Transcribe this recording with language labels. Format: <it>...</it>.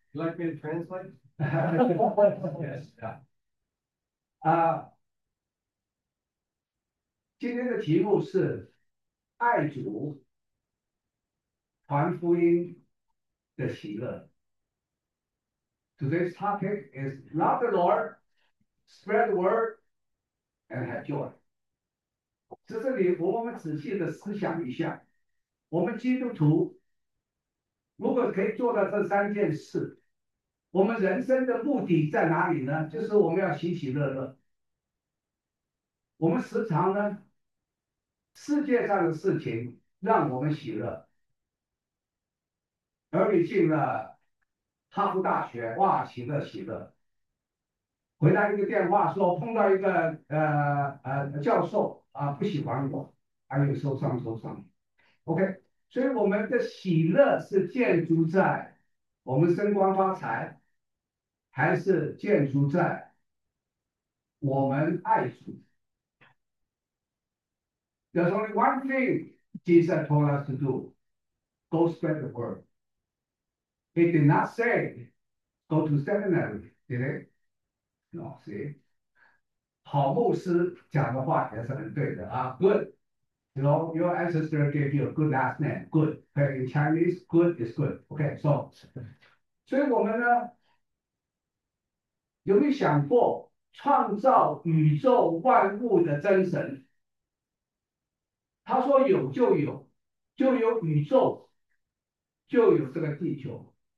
<en>Let me translate. Yes. Yeah.</en> <zh>今天的题目是爱主传福音的喜乐。</zh> <en>Today's topic is love the Lord, spread the word, and have joy。</en> <zh>在这里，我们仔细的思想一下，我们基督徒如果可以做到这三件事，我们人生的目的在哪里呢？就是我们要喜喜乐乐。我们时常呢，世界上的事情让我们喜乐，儿女进了哈佛大学，哇，喜乐喜乐。回答一个电话说碰到一个教授不喜欢我，还有受伤受伤。 OK，所以我们的喜乐是建筑在我们升官发财，还是建筑在我们爱主？</zh> <en>There's only one thing Jesus told us to do. Go spread the word. He did not say, go to seminary, did he? No, see?</en> <zh>好牧师讲的话也是很对的啊。</zh> <en>Good. You know, your ancestor gave you a good last name. Good. In Chinese, good is good. Okay, so.</en> <zh>所以我们呢，有没有想过创造宇宙万物的真神？他说有就有，就有宇宙，就有这个地球。</zh>